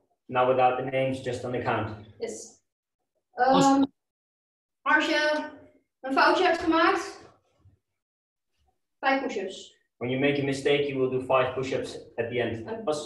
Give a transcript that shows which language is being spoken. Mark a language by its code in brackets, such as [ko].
[en] Now without the names, just on the count. Yes. [nl] Als je een foutje hebt gemaakt, 5 push-ups. [en] When you make a mistake, you will do 5 push-ups at the end.